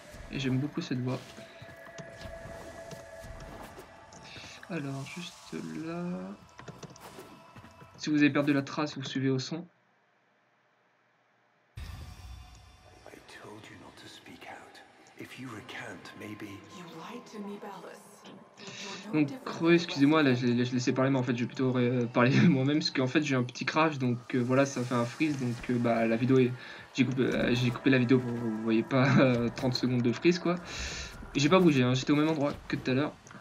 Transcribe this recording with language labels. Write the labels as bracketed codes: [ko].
[fr] Et j'aime beaucoup cette voix. Alors juste là. Si vous avez perdu la trace, vous suivez au son. [en] I told you not to speak out. If you recant, maybe. You lied to me, Balus. [fr] Donc creux, excusez-moi, là je laissais parler, mais en fait je vais plutôt parler moi-même parce qu'en fait j'ai un petit crash, donc voilà, ça fait un freeze, donc bah la vidéo est... j'ai coupé la vidéo, vous voyez pas 30 secondes de freeze quoi. J'ai pas bougé, hein, j'étais au même endroit que tout à l'heure.